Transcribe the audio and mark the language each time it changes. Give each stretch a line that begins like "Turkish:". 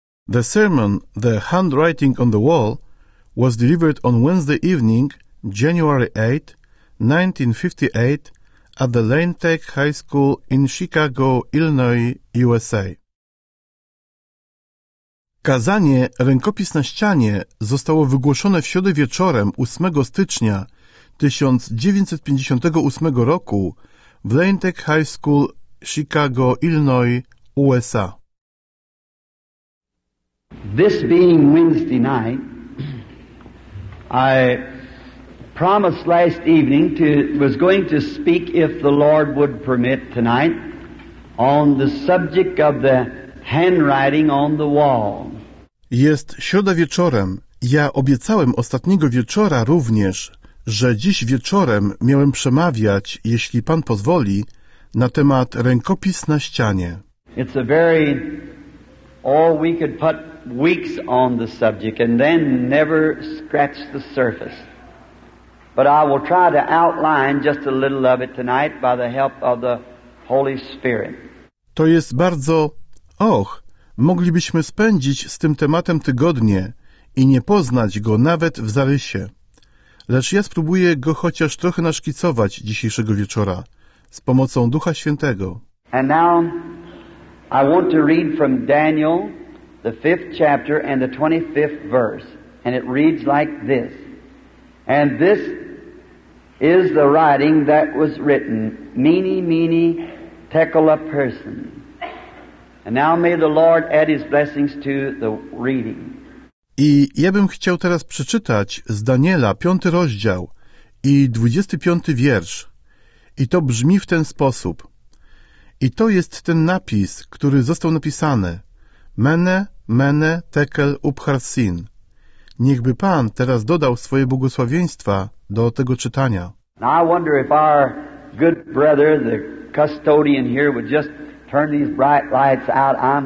English: The sermon, The Handwriting on the Wall, was delivered on Wednesday evening, January 8, 1958, at the Lane Tech High School in Chicago, Illinois, USA.
Polish: Kazanie Rękopis na ścianie zostało wygłoszone w środę wieczorem 8 stycznia 1958 roku w Lane Tech High School, Chicago, Illinois, USA.
English: This being Wednesday night, I promised last evening to was going to speak, if the Lord would permit tonight, on the subject of the handwriting on the wall.
Polish: Jest środa wieczorem. Ja obiecałem ostatniego wieczora również, że dziś wieczorem miałem przemawiać, jeśli Pan pozwoli, na temat rękopis na ścianie.
English: It's a very... All we could put weeks on the subject and then never scratch the surface. But I will try to outline just a little of it tonight by the help of the Holy Spirit.
Polish: To jest bardzo... Och, moglibyśmy spędzić z tym tematem tygodnie i nie poznać go nawet w zarysie. Lecz ja spróbuję go chociaż trochę naszkicować dzisiejszego wieczora z pomocą Ducha Świętego.
English: And now... I want to read from Daniel, the 5th chapter and the 25th verse, and it reads like this. And this is the writing that was written, Mene, Mene, Tekel, Upharsin. And now may the Lord add his blessings to the reading.
Polish: I ja bym chciał teraz przeczytać z Daniela 5 rozdział i 25 wiersz. I to brzmi w ten sposób. I to jest ten napis, który został napisany. Mene, mene, tekel, upharsin. Niechby Pan teraz dodał swoje błogosławieństwa do tego czytania.
English: I wonder if our good brother, the custodian here, would just turn these bright lights out.